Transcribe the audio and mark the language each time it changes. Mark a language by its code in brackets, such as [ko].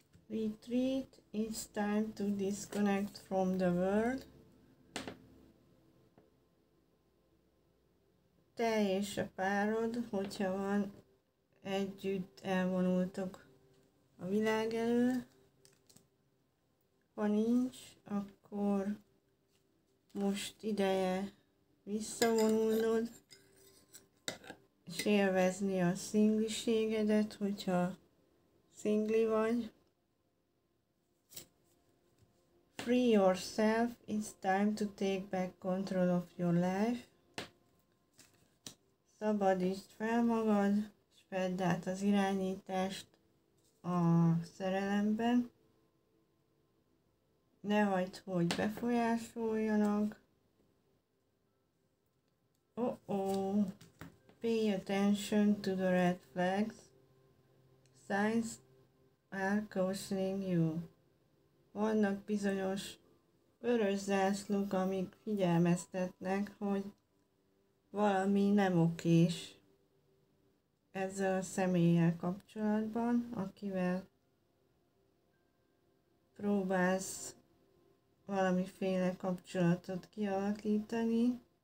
[en] Retreat, it's time to disconnect from the world. [hu] Te és a párod, hogyha van, együtt elvonultok a világ elől. Ha nincs, akkor most ideje visszavonulnod, és élvezni a szingliségedet, hogyha szingli vagy. [en] Free yourself, it's time to take back control of your life. [hu] Szabadítsd fel magad, és vedd át az irányítást a szerelemben. Ne hagyd, hogy befolyásoljanak. [en] Pay attention to the red flags. Signs are cautioning you. [hu] Vannak bizonyos vörös zászlók, amik figyelmeztetnek, hogy valami nem okés ezzel a személlyel kapcsolatban, akivel próbálsz valamiféle kapcsolatot kialakítani.